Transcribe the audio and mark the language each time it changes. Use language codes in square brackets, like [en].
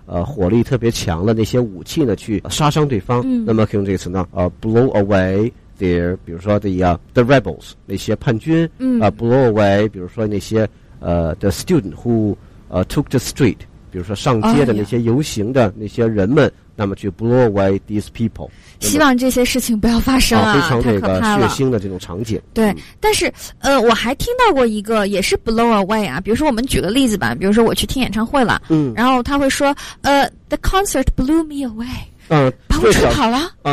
[zh] 火力特别强的那些武器呢，去杀伤对方。那么可以用这个词呢，blow away their， 比如说the rebels 那些叛军。 blow away， 比如说那些 [en] the student who took the street， [zh] 比如说上街的那些游行的那些人们。那么去 blow away these people，希望这些事情不要发生非常这个血腥的这种场景。对，但是我还听到过一个也是 blow away 啊，比如说我们举个例子吧，比如说我去听演唱会了，然后他会说 [en] the concert blew me away， [zh] 把我吹跑了。